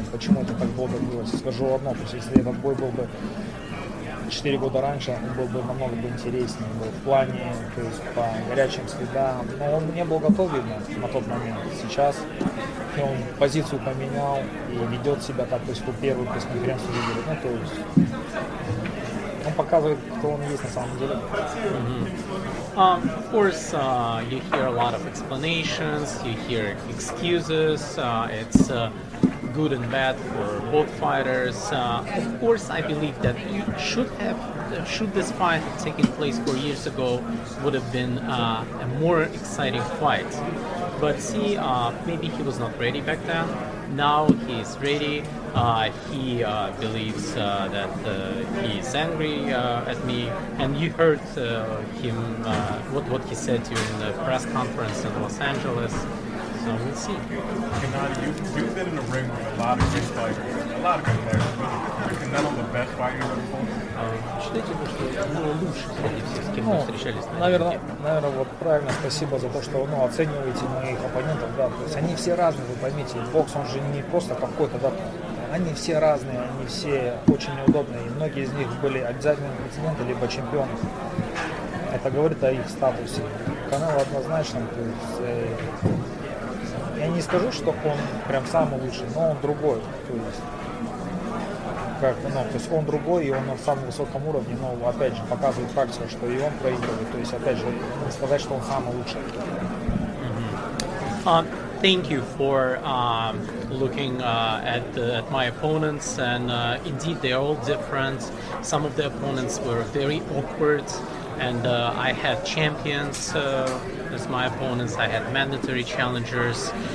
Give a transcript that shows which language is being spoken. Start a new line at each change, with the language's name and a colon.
Russian: Почему это так долго было? Скажу одно, то есть если этот бой был бы 4 года раньше, он был бы намного бы интереснее был в плане, то есть по горячим следам. Но он не был готов, видно, на тот момент. Сейчас он позицию поменял и ведет себя так, то есть по первую пресс-конференцию выиграл. Ну, то есть он показывает, кто он есть на самом деле. Mm-hmm.
English: Of course, you hear a lot of explanations, you hear excuses, it's good and bad for both fighters. Of course, I believe that you should have, should this fight have taken place 4 years ago, would have been a more exciting fight. But see, maybe he was not ready back then. Now he is ready. He believes that he is angry at me. And you heard him, what he said to you in the press conference in Los Angeles. We'll see. Gennadiy, you've been in the ring with a lot of great fighters, a lot of good fighters, but you're Canelo the best fighter you've ever fought?
Russian: Считаете вы, что Канело лучше среди всех, с кем вы встречались? Наверное, вот правильно, спасибо за то, что оцениваете моих оппонентов, да. То есть они все разные, вы поймите, бокс он же не просто какой-то, да. Они все разные, они все очень неудобные, и многие из них были обязательными прецеденты либо чемпионы. Это говорит о их статусе. Канело однозначно, то есть я не скажу, что он прям самый лучший, но он другой. То есть, то есть он другой, и он на самом высоком уровне, но опять же показывает практику, что и он проигрывает. То есть опять же сказать, что он самый лучший. Mm-hmm.
English: Thank you for looking at my opponents, and indeed they're all different. Some of the opponents were very awkward. And I had champions as my opponents, I had mandatory challengers.